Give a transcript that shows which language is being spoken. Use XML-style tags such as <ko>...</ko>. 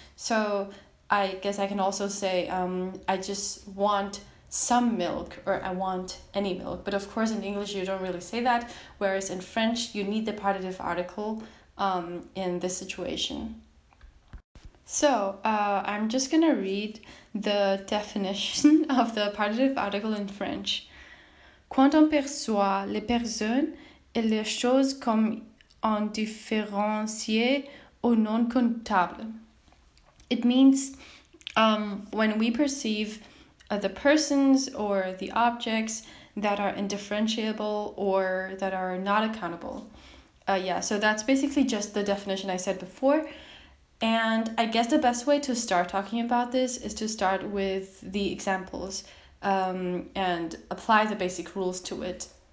<en>So I guess I can also say, I just want some milk, or I want any milk. But of course in English you don't really say that, whereas in French you need the partitive article in this situation. So I'm just gonna read the definition of the partitive article in French.</en> <fr>Quand on perçoit les personnes et les choses comme en différencié ou non comptable.</fr> <en>It means when we perceive the persons or the objects that are indifferentiable or that are not accountable. So that's basically just the definition I said before. And I guess the best way to start talking about this is to start with the examples and apply the basic rules to it.</en>